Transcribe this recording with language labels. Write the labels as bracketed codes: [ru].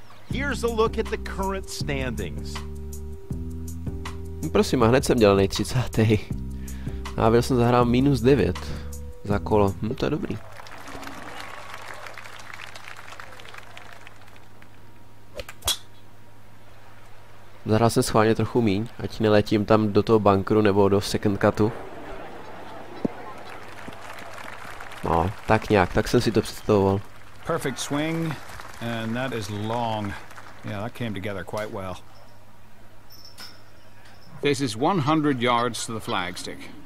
[en] Here's a look at the current standings. [cs] Prosím, a hned jsem dělal nejtřicátej. A byl jsem zahrál minus 9 za kolo. To je dobrý. Zahrál jsem schválně trochu míň, ať neletím tam do toho bunkru nebo do second cutu. No, tak nějak, tak jsem si to představoval. [en] Perfect swing, and that is long. Yeah, that came together quite well. This is 100 yards to the flagstick.